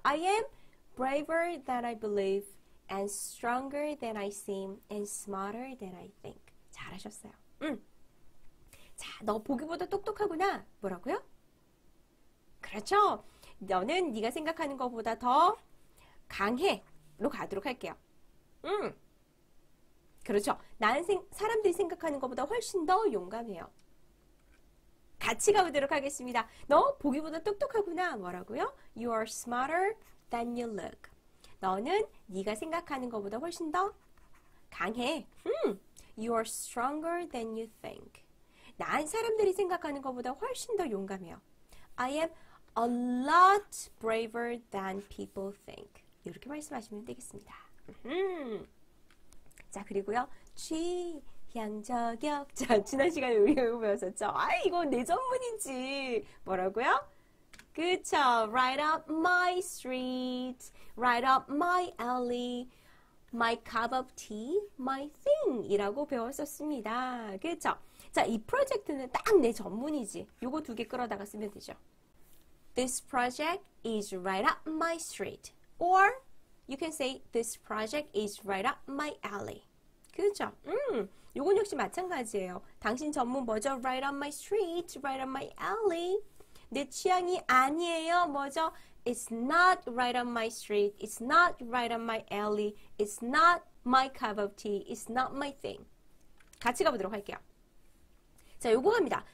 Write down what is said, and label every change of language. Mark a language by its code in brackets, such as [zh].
[en] I am braver than I believe, and stronger than I seem, and smarter than I think. [ko] 잘하셨어요. 자, 너 보기보다 똑똑하구나. 뭐라고요? 그렇죠? 너는 네가 생각하는 것보다 더 강해로 가도록 할게요. 그렇죠. 사람들이 생각하는 것보다 훨씬 더 용감해요. 같이 가보도록 하겠습니다. 너 보기보다 똑똑하구나. 뭐라고요? [en] You are smarter than you look. [ko] 너는 네가 생각하는 것보다 훨씬 더 강해. [en] You are stronger than you think. [ko] 난 사람들이 생각하는 것보다 훨씬 더 용감해요. [en] I am a lot braver than people think. [ko] 이렇게 말씀하시면 되겠습니다. 자, 그리고요. 취향저격. 자, 지난 시간에 우리가 이거 배웠었죠? 아, 이건 내 전문이지. 뭐라고요? 그쵸. [en] Right up my street. Right up my alley. My cup of tea. My thing. [ko] 이라고 배웠었습니다. 그쵸. 자, 이 프로젝트는 딱내 전문이지. 요거 두개 끌어다가 쓰면 되죠. [en] This project is right up my street. Or you can say this project is right up my alley. [ko] 그렇죠. 요건 역시 마찬가지예요. 당신 전문 뭐죠? [en] Right on my street, right on my alley. [ko] 내 취향이 아니에요. 뭐죠? [en] It's not right on my street. It's not right on my alley. It's not my cup of tea. It's not my thing. [ko] 같이 가보도록 할게요. 자, 요거 갑니다.